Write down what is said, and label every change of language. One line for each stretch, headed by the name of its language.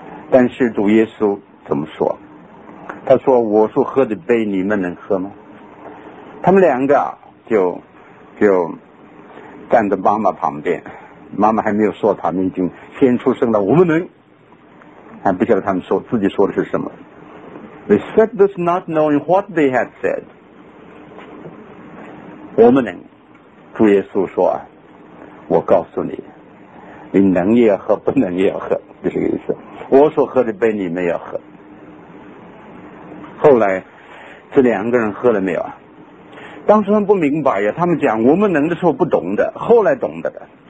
Chinese: 但是主耶稣怎么说？他说：“我所喝的杯，你们能喝吗？” 他们两个就站在妈妈旁边，妈妈还没有说，他们已经先出声了：“我们能。” 还不晓得他们说自己说的是什么。
English: They said this not knowing what they had said。
Chinese: 我们能，主耶稣说啊，我告诉你，你能也要喝，不能也要喝，就是这个意思。我所喝的杯你们要喝。后来这两个人喝了没有啊？当时他们不明白呀，他们讲我们能的时候不懂的，后来懂得的。